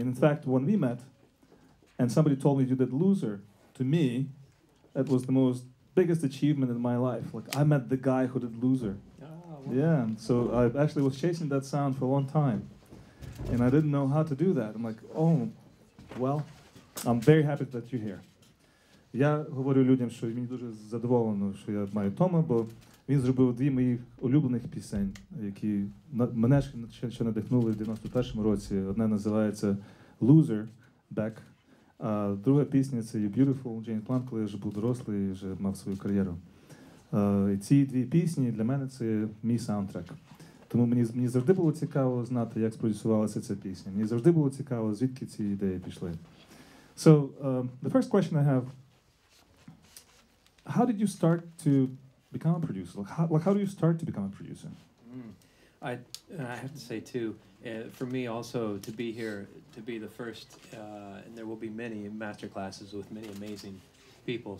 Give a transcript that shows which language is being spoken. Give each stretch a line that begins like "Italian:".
English: And in fact, when we met, and somebody told me you did Loser, to me, that was the most biggest achievement in my life. Like, I met the guy who did Loser. Oh, wow. Yeah, so I actually was chasing that sound for a long time. And I didn't know how to do that. I'm like, oh, well, I'm very happy that you're here.
Ukrainian: Я говорю людям, що мені дуже задоволено, що я маю Тома, бо він зробив дві моїх улюблених пісень, які мене ще надихнули в 91-му році. Одна називається Loser, Beck. А друга пісня — це «You Beautiful» Джейн Плант, коли я вже був дорослий і вже мав свою кар'єру. І ці дві пісні для мене — це мій саундтрек. Тому мені завжди було цікаво знати, як спродюсувалася ця пісня. Мені завжди було цікаво, звідки ці ідеї пішли.
English: So, the first question I have, how did you start to become a producer? How do you start to become a producer? I have to say too, for me also to be here, to be the first, and there will be many master classes with many amazing people.